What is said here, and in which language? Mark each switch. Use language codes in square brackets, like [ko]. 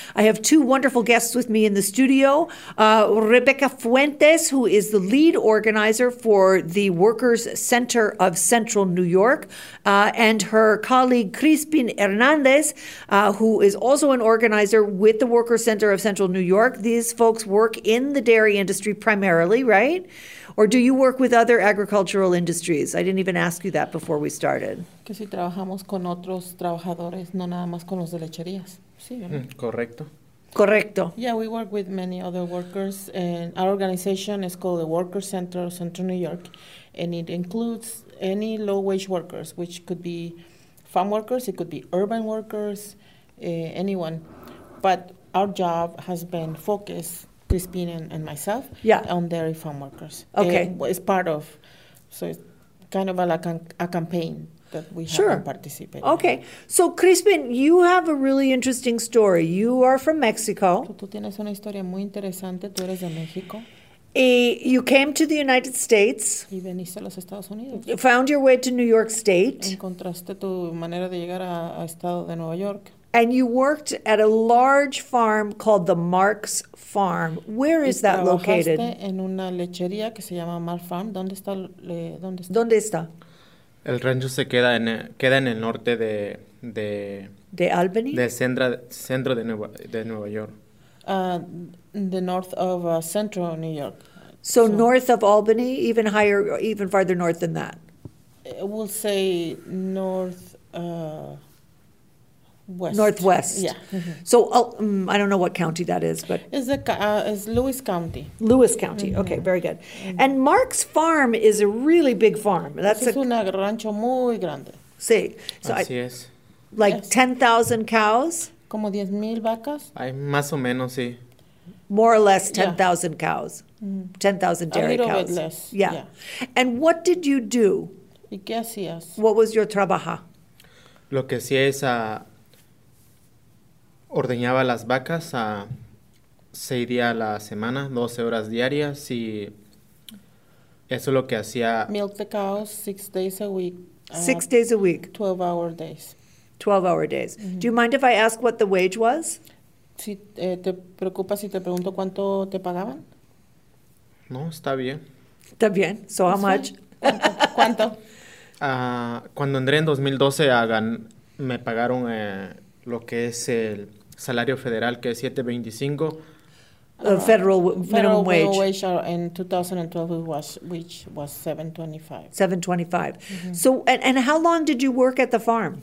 [en] I have two wonderful guests with me in the studio. Rebecca Fuentes, who is the lead organizer for the Workers' Center of Central New York, and her colleague, Crispin Hernandez, who is also an organizer with the Workers' Center of Central New York. These folks work in the dairy industry primarily, right? Or do you work with other agricultural industries? I didn't even ask you that before we started. [es] Que si trabajamos con otros trabajadores, no nada más con los de lecherías. Sí, ¿verdad? Correcto. Correcto. [en] Yeah, we work with many other workers. And our organization is called the Workers Center of Central New York. And it includes any low-wage workers, which could be farm workers, it could be urban workers, anyone. But our job has been focused, Crispin and myself, on dairy farm workers. Okay. It's part of, so it's kind of like a campaign that we sure. have participated okay. in. Okay. So, Crispin, you have a really interesting story. You are from Mexico. [es] Tú tienes una historia muy interesante. Tú eres de México. [en] You came to the United States. [es] Y veniste a los Estados Unidos. [en] You found your way to New York State. [es] Encontraste tu manera de llegar a estado de Nueva York. [en] And you worked at a large farm called the Marks Farm. Where is that located? [es] En una lechería que se llama Marks Farm. ¿Dónde está? ¿Dónde está? El rancho se queda en el norte de Albany. De centro de Nueva York. [en] The north of central New York. So north of Albany, even higher, even farther north than that. We'll say north. West. Northwest. Yeah. Mm-hmm. So I don't know what county that is, but it's Lewis County. Lewis County. Mm-hmm. Okay, very good. Mm-hmm. And Mark's Farm is a really big farm. That's [es] es una rancho muy grande. Sí. So así es. [en] Like 10,000 cows. [es] Como 10,000 vacas. Ay, más o menos, sí. [en] More or less 10,000 cows. Mm-hmm. 10,000 dairy a little cows. Bit less. Yeah. Yeah. And what did you do? [es] ¿Y qué hacías? [en] What was your trabajo? [es] Lo que hacía es a ordeñaba las vacas a 6 días a la semana, 12 horas diarias, y eso es lo que hacía. [en] Milk the cows 6 days a week. 6 days a week. 12-hour days. 12-hour days. Mm-hmm. Do you mind if I ask what the wage was? [es] Si, ¿te preocupa si te pregunto cuánto te pagaban? No, está bien. Está bien. [en] So how much? [es] ¿Cuánto? Cuando entré en 2012, me pagaron lo que es el salario federal, que es $7.25. [en] Federal minimum wage. Federal minimum wage in 2012, which was $7.25. $7.25. Mm-hmm. So, and how long did you work at the farm?